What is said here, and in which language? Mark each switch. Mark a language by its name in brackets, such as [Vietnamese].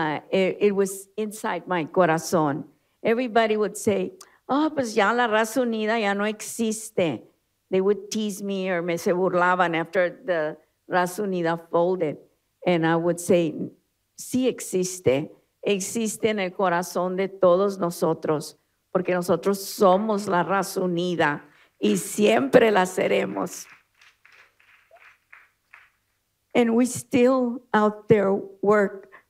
[English] It was inside my corazón. Everybody would say, oh, [Spanish] pues ya la Raza Unida ya no existe. [English] They would tease me or [Spanish] me se burlaban [English] after the Raza Unida folded. And I would say, [Spanish] sí existe. Existe en el corazón de todos nosotros, porque nosotros somos la Raza Unida. Y siempre la seremos. [English] And we still out there work.